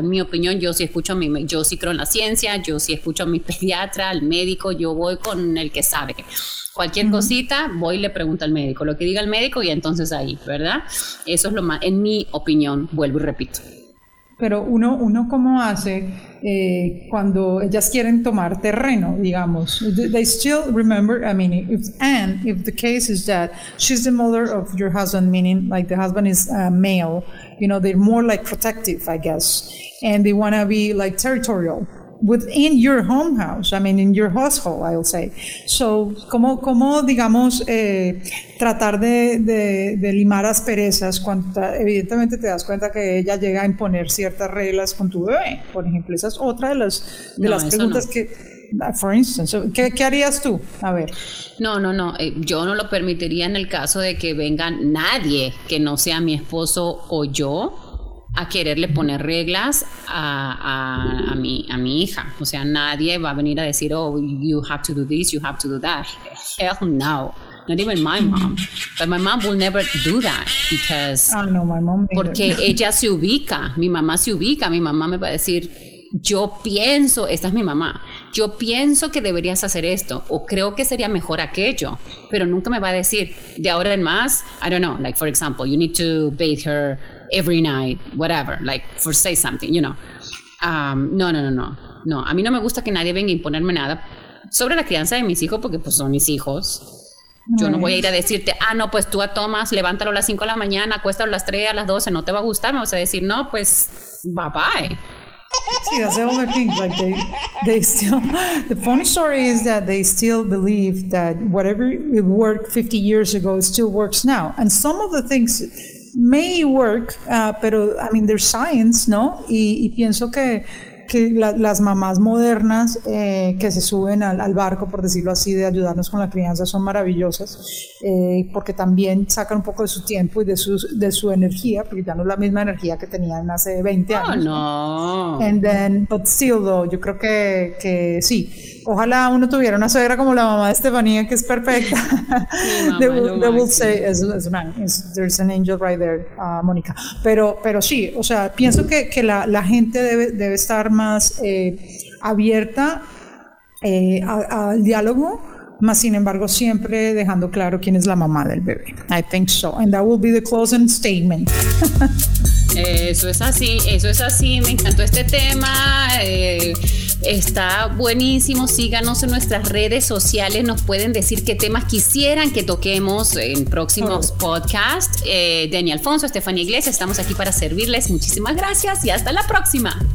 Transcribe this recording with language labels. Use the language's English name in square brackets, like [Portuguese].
[Spanish] En mi opinión, yo sí creo en la ciencia, yo sí escucho a mi pediatra, al médico, yo voy con el que sabe. Cualquier cosita, voy y le pregunto al médico. Lo que diga el médico y entonces ahí, ¿verdad? Eso es lo más, en mi opinión, vuelvo y repito. Pero uno cómo hace cuando ellas quieren tomar terreno, digamos. [English] They still remember, I mean, if the case is that she's the mother of your husband, meaning like the husband is a male, you know, they're more like protective, I guess. And they want to be like territorial within your home house, I mean, in your household, I'll say. [Spanish] So, ¿cómo digamos, tratar de limar asperezas cuando evidentemente te das cuenta que ella llega a imponer ciertas reglas con tu bebé? Por ejemplo, esa es otra de las preguntas que... [English] For instance, [Spanish] ¿qué harías tú? A ver. No. Yo no lo permitiría en el caso de que venga nadie que no sea mi esposo o yo a quererle poner reglas a mi hija. O sea, nadie va a venir a decir, [English] oh, you have to do this, you have to do that. Hell no. Not even my mom. But my mom will never do that because... Oh, no, my mom either. [Spanish] Porque ella se ubica, mi mamá se ubica, mi mamá me va a decir... Yo pienso, esta es mi mamá, yo pienso que deberías hacer esto, o creo que sería mejor aquello, pero nunca me va a decir, de ahora en más, [English] I don't know, like for example, you need to bathe her every night, whatever, like for say something, you know. [Spanish] No, a mí no me gusta que nadie venga a imponerme nada sobre la crianza de mis hijos, porque pues son mis hijos. Yo no voy a ir a decirte, ah, no, pues tú a Tomás, levántalo a las 5 de la mañana, acuéstalo a las 3, a las 12, no te va a gustar, me vas a decir, no, pues bye bye. [English] See, that's the other thing, like they still, the funny story is that they still believe that whatever it worked 50 years ago, it still works now. And some of the things may work, [Spanish] pero, [English] I mean, there's science, [Spanish] ¿no? Y pienso que las mamás modernas que se suben al barco, por decirlo así, de ayudarnos con la crianza, son maravillosas, porque también sacan un poco de su tiempo y de su energía, porque ya no es la misma energía que tenían hace 20 años. [English] Oh, no. And then, but still though, [Spanish] yo creo que sí, ojalá uno tuviera una suegra como la mamá de Estefanía, que es perfecta. [English] There's an angel right there, Mónica. [Spanish] Pero sí, o sea, pienso que la gente debe estar más abierta al diálogo, más sin embargo siempre dejando claro quién es la mamá del bebé. [English] I think so, and that will be the closing statement. [Spanish] eso es así, me encantó este tema, está buenísimo. Síganos en nuestras redes sociales, nos pueden decir qué temas quisieran que toquemos en próximos podcasts. Dani Alfonso, Estefanía Iglesias, estamos aquí para servirles. Muchísimas gracias y hasta la próxima.